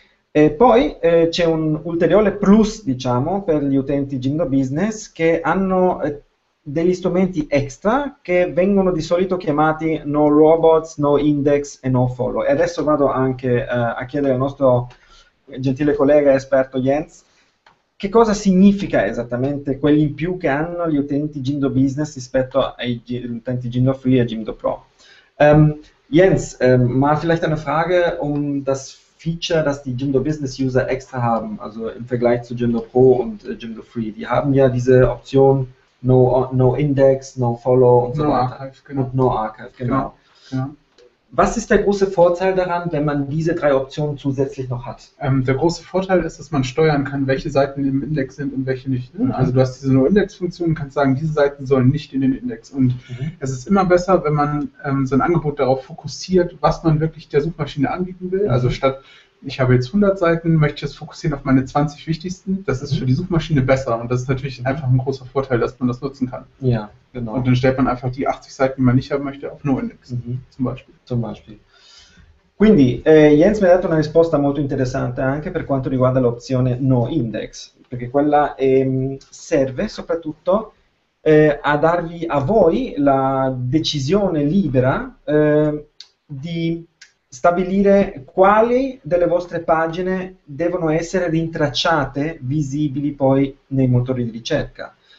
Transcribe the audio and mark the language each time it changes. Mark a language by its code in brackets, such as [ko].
[it] E poi c'è un ulteriore plus, diciamo, per gli utenti Jimdo Business che hanno degli strumenti extra che vengono di solito chiamati no robots, no index e no follow. E adesso vado anche a chiedere al nostro gentile collega esperto Jens che cosa significa esattamente quelli in più che hanno gli utenti Jimdo Business rispetto agli utenti Jimdo Free e Jimdo Pro. [de] Jens, mal vielleicht eine Frage um das Feature, das die Jimdo Business User extra haben, also im Vergleich zu Jimdo Pro und Jimdo Free. Die haben ja diese Option no Index, no Follow und so No weiter Archive, genau. und no Archive, Genau, genau. genau. Was ist der große Vorteil daran, wenn man diese drei Optionen zusätzlich noch hat? Der große Vorteil ist, dass man steuern kann, welche Seiten im Index sind und welche nicht. Mhm. Also du hast diese No-Index-Funktion und kannst sagen, diese Seiten sollen nicht in den Index. Und es ist immer besser, wenn man sein Angebot darauf fokussiert, was man wirklich der Suchmaschine anbieten will. Mhm. Also statt, ich habe jetzt 100 Seiten, möchte ich es fokussieren auf meine 20 wichtigsten. Das ist für die Suchmaschine besser. Und das ist natürlich einfach ein großer Vorteil, dass man das nutzen kann. Ja, genau. Und dann stellt man einfach die 80 Seiten, die man nicht haben möchte, auf No-Index zum Beispiel. Zum Beispiel. [it] Quindi Jens mi ha dato una risposta molto interessante anche per quanto riguarda l'opzione no index, perché quella serve soprattutto a darvi a voi la decisione libera di stabilire quali delle vostre pagine devono essere rintracciate, visibili poi nei motori di ricerca.